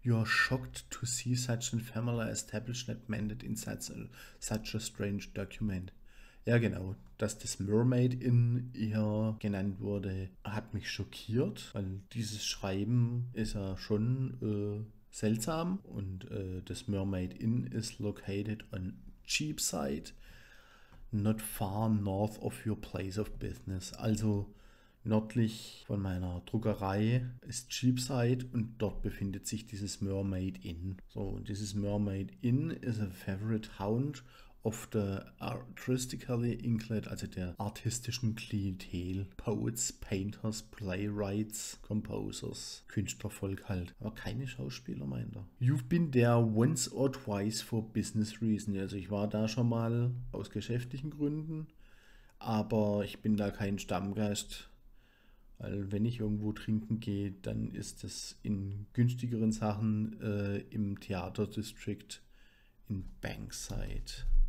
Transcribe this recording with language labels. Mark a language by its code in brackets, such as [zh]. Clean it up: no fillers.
[en] You are shocked to see such an ephemeral establishment mended in such a strange document. [de] Ja, genau. Dass das Mermaid Inn hier genannt wurde, hat mich schockiert, weil dieses Schreiben ist ja schon seltsam und das Mermaid Inn ist [en] located on Cheapside. Not far north of your place of business. [de] Also nördlich von meiner Druckerei ist Cheapside und dort befindet sich dieses Mermaid Inn. [en] So, dieses Mermaid Inn is a favorite haunt of the artistically inclined, [de] also der artistischen Klientel. [en] Poets, Painters, Playwrights, Composers, [de] Künstlervolk halt. Aber keine Schauspieler, meint er. [en] You've been there once or twice for business reasons. [de] Also ich war da schon mal aus geschäftlichen Gründen, aber ich bin da kein Stammgast. Weil wenn ich irgendwo trinken gehe, dann ist es in günstigeren Sachen im Theaterdistrikt in Bankside.